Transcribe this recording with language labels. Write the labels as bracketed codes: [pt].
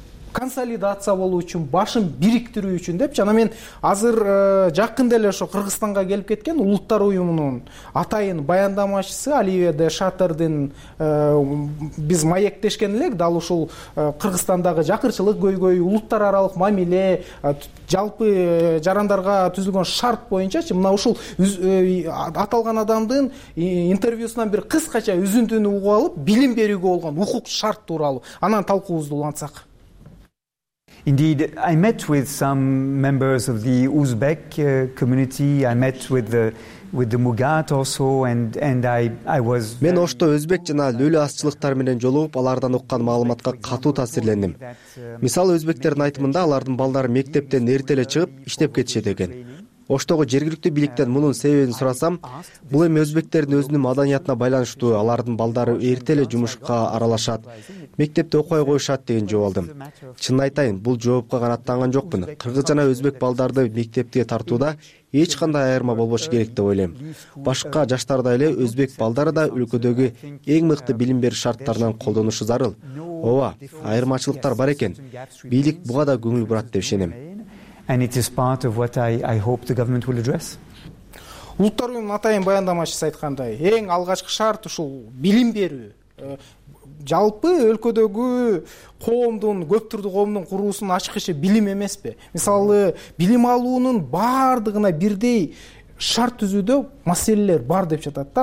[ky] Консолидация болуу үчүн, башын бириктирүү үчүн депчи. Анан мен азыр жакында эле ошо Кыргызстанга келип кеткен Улуттар уюмунун атайын баяндамачысы Оливия де Шатердин биз маектешкен элек дал ушул Кыргызстандагы жакырчылык көйгөй, улуттар аралык мамиле, жалпы жарандарга түзүлгөн шарт боюнчачы. Мына ушул аталган адамдын интервьюсунан бир кыскача үзүндүнү угуп алып, билим берүүгө болгон укук шарт тууралуу анан талкуубузду улантсак. [en] Indeed, I met with some members of the Uzbek community. I met with the Mugat also, and I was. [ky] Мен Ошто өзбек жана лүлү азчылыктар менен жолугуп, алардан уккан маалыматка катуу таасирлендим. Мисалы, өзбектердин айтымында алардын балдары мектептен эрте эле чыгып иштеп кетишет экен. Оштогу жергиликтүү бийликтен мунун себебин сурасам, бул эми өзбектердин өзүнүн маданиятына байланыштуу, алардын балдары эрте эле жумушка аралашат, мектепте окубай коюшат деген жооп алдым. Чынын айтайын, бул жоопко канааттанган жокмун. Кыргыз жана өзбек балдарды мектепке тартууда эч кандай айырма болбошу керек деп ойлойм. Башка жаштардай эле өзбек балдары да өлкөдөгү эң мыкты билим берүү шарттарынан колдонушу зарыл. Ооба, айырмачылыктар бар экен. Бийлик буга да көңүл бурат деп ишенем. [en] And it is part of what I hope the government will address. [ky] Улуттар уюмунун атайын баяндамачысы айткандай, эң алгачкы шарт ушул билим берүү. Жалпы өлкөдөгү коомдун, көп түрдүү коомдун куруусунун ачкычы билим эмеспи? Мисалы, билим алуунун бардыгына бирдей шарт түзүүдө маселелер бар деп жатат да.